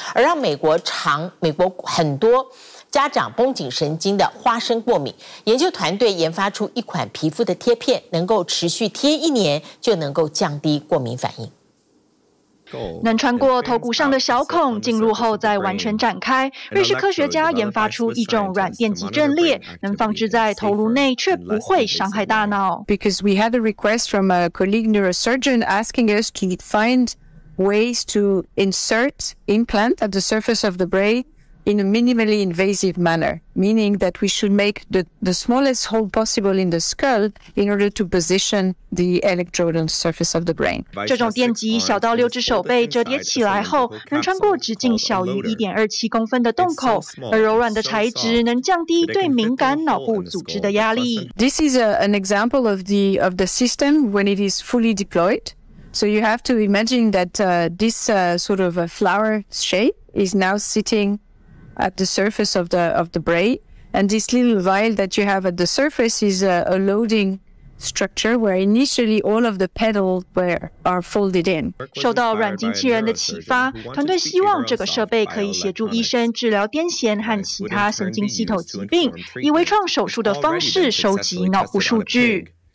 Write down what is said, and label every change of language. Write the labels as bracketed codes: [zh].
[zh] 而让美国很多家长绷紧神经的花生过敏，研究团队研发出一款皮肤的贴片，能够持续贴一年就能够降低过敏反应。能穿过头骨上的小孔，进入后再完全展开。瑞士科学家研发出一种软电极阵列，能放置在头颅内，却不会伤害大脑。 [en] Because we had a request from a colleague neurosurgeon asking us to find ways to insert implant at the surface of the brain in a minimally invasive manner, meaning that we should make the smallest hole possible in the skull in order to position the electrode on the surface of the brain. [zh] 这种电极小到六只手背折叠起来后，能穿过直径小于1.27公分的洞口，而柔软的材质能降低对敏感脑部组织的压力。 [en] This is an example of the system when it is fully deployed. So you have to imagine that this sort of a flower shape is now sitting at the surface of the brain, and this little vial that you have at the surface is a loading structure where initially all of the pedals are folded in. [zh] 受到软经器人的启发，团队希望这个设备可以协助医生治疗癫痫和其他神经系统疾病，以微创手术的方式收集脑部数据。